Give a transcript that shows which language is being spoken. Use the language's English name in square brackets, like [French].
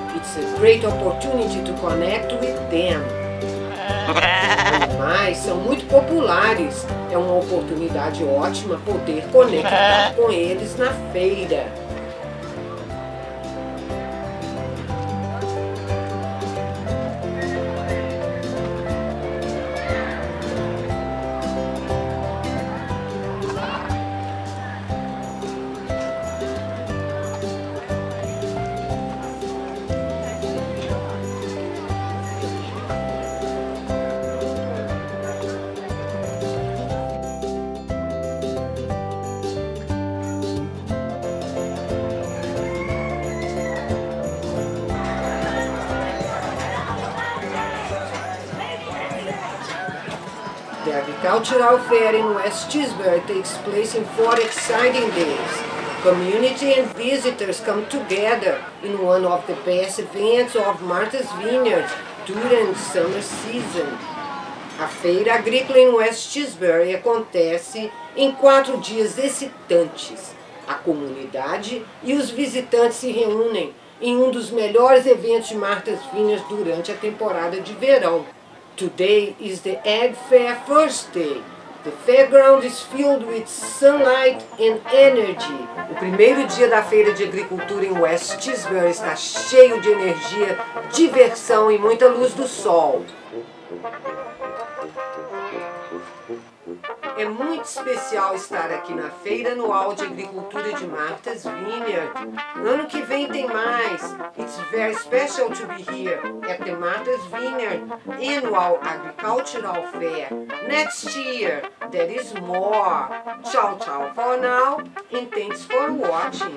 [English] It's a great opportunity to connect with them. [Portuguese] Os animais são muito populares. É uma oportunidade ótima poder conectar com eles na feira. [English] Cultural fair in West Tisbury takes place in 4 exciting days. Community and visitors come together in one of the best events of Martha's Vineyard during summer season. [Portuguese] A Feira Agrícola em Westsbury acontece em 4 dias excitantes. A comunidade e os visitantes se reúnem em um dos melhores eventos de Martha's Vineyard durante a temporada de verão. [English] Today is the Ag Fair first day. The fairground is filled with sunlight and energy. [Portuguese] O primeiro dia da Feira de Agricultura em Westsbury está cheio de energia, diversão e muita luz do sol. É muito especial estar aqui na Feira Anual de Agricultura de Martha's Vineyard. Ano que vem tem mais. [English] It's very special to be here at the Martha's Vineyard Annual Agricultural Fair. Next year, there is more. [Portuguese] Tchau, tchau [English] for now and thanks for watching.